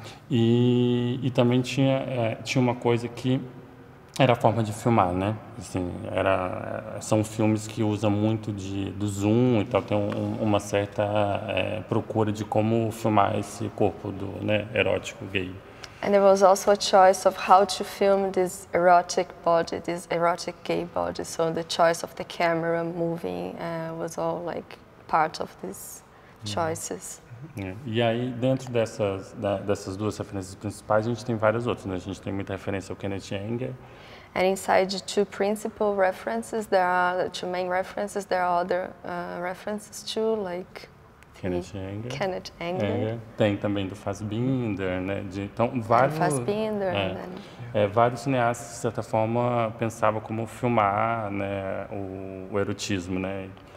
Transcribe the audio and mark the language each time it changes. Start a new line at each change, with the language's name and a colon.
Portuguese: E também tinha uma coisa que era a forma de filmar, né? Assim, são filmes que usam muito do zoom e tal, tem uma certa procura de como filmar esse corpo do, né, erótico gay.
English: And there was also a choice of how to film this erotic body, this erotic gay body. So the choice of the camera moving was all like part of these choices.
Portuguese: E aí, dentro dessas duas referências principais, a gente tem várias outras, né? A gente tem muita referência ao Kenneth Anger.
English: And inside the two principal references, there are the two main references, there are other references too, like
Portuguese: Kenneth Anger. Tem também do Fassbinder, né? Então, vários. Fassbinder, né? Vários cineastas, de certa forma, pensavam como filmar, né, o erotismo, né?